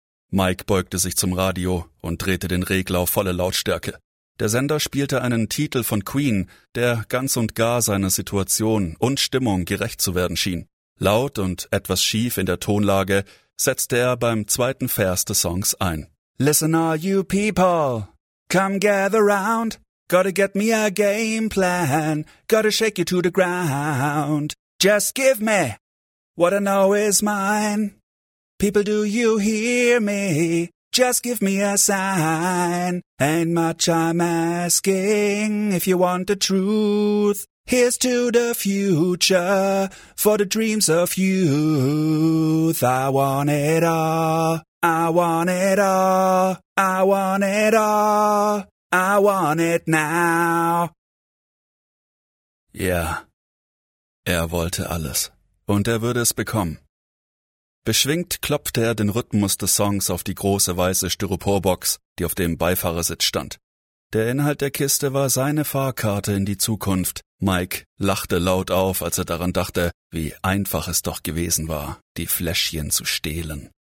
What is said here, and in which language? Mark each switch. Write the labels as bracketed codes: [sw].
[de] Mike beugte sich zum Radio und drehte den Regler auf volle Lautstärke. Der Sender spielte einen Titel von Queen, der ganz und gar seiner Situation und Stimmung gerecht zu werden schien. Laut und etwas schief in der Tonlage setzte er beim zweiten Vers des Songs ein. [en] Listen all you people, come gather round, gotta get me a game plan, gotta shake you to the ground, just give me what I know is mine. People, do you hear me? Just give me a sign. Ain't much I'm asking. If you want the truth, here's to the future. For the dreams of youth, I want it all. I want it all. I want it all. I want it now. [de] Ja, er wollte alles. Und er würde es bekommen. Beschwingt klopfte er den Rhythmus des Songs auf die große weiße Styroporbox, die auf dem Beifahrersitz stand. Der Inhalt der Kiste war seine Fahrkarte in die Zukunft. Mike lachte laut auf, als er daran dachte, wie einfach es doch gewesen war, die Fläschchen zu stehlen.